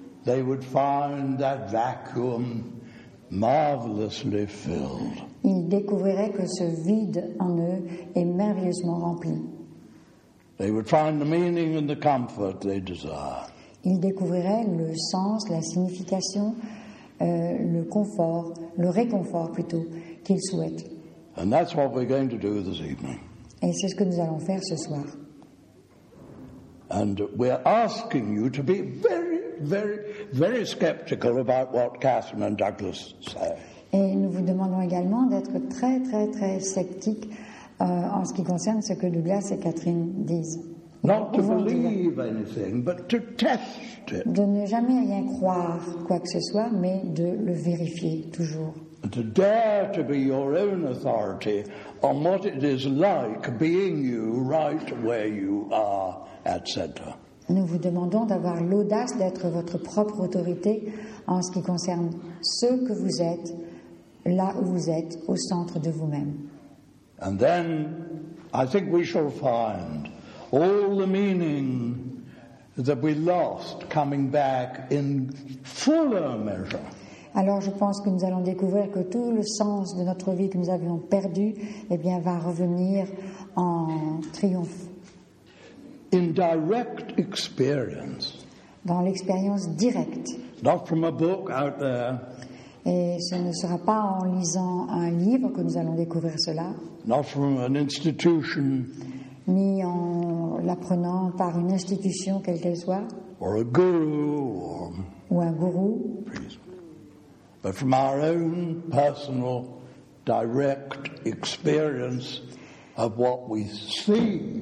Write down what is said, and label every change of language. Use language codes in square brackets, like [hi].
[en] They would find that vacuum marvelously filled. [fr] Ils découvriraient que ce vide en eux est merveilleusement rempli. [en] They would find the meaning and the comfort they desire. [fr] Ils découvriraient le sens, la signification, le confort, le réconfort plutôt, qu'ils souhaitent. [en] And that's what we're going to do this evening. [fr] Et c'est ce que nous allons faire ce soir. [en] And we're asking you to be very, very, very skeptical about what Catherine and Douglas say. [fr] Et nous vous demandons également d'être très, très, très sceptiques en ce qui concerne ce que Douglas et Catherine disent. [en] Not to believe anything, but to test it. [fr] De ne jamais rien croire, quoi que ce soit, mais de le vérifier toujours. [en] And to dare to be your own authority on what it is like being you right where you are at center. [fr] Nous vous demandons d'avoir l'audace d'être votre propre autorité en ce qui concerne ce que vous êtes là où vous êtes, au centre de vous-même. [en] And then I think we shall find all the meaning that we lost coming back in fuller measure. [fr] Alors je pense que nous allons découvrir que tout le sens de notre vie que nous avions perdu, eh bien, va revenir en triomphe. [en] In direct experience. [fr] Dans l'expérience directe. [en] Not from a book out there. [fr] Et ce ne sera pas en lisant un livre que nous allons découvrir cela. [en] Not from an institution. [fr] Ni en l'apprenant par une institution, quelle qu'elle soit. [en] Or a guru, or... [fr] Ou un gourou. [en] But from our own personal direct experience of what we see,